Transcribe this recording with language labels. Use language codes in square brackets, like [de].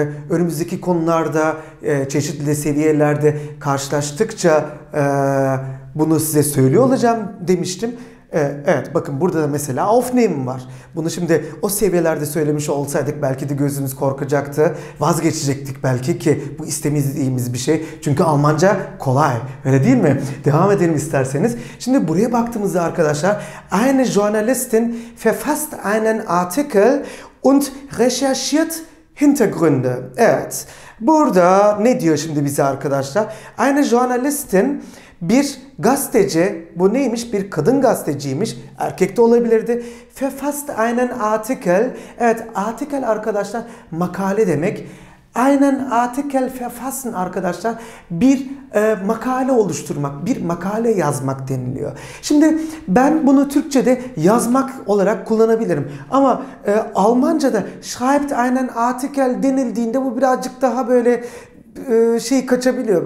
[tr] Önümüzdeki konularda çeşitli seviyelerde karşılaştıkça bunu size söylüyor olacağım demiştim. Evet bakın burada da mesela aufnehmen var. Bunu şimdi o seviyelerde söylemiş olsaydık belki de gözümüz korkacaktı. Vazgeçecektik belki ki bu istemediğimiz bir şey. Çünkü Almanca kolay. Öyle değil mi? Devam edelim isterseniz. Şimdi buraya baktığımızda arkadaşlar [de] eine Journalistin verfasst einen Artikel und recherchiert Hintergründe. [tr] Evet. Burada ne diyor şimdi bize arkadaşlar? [de] Eine Journalistin [tr] bir gazeteci, bu neymiş? Bir kadın gazeteciymiş. Erkek de olabilirdi. [de] Verfasst einen Artikel. [tr] Evet, Artikel arkadaşlar makale demek. [de] Einen Artikel verfassen [tr] arkadaşlar bir makale oluşturmak, bir makale yazmak deniliyor. Şimdi ben bunu Türkçe'de yazmak olarak kullanabilirim. Ama Almanca'da [de] schreibt einen Artikel [tr] denildiğinde bu birazcık daha böyle şey kaçabiliyor.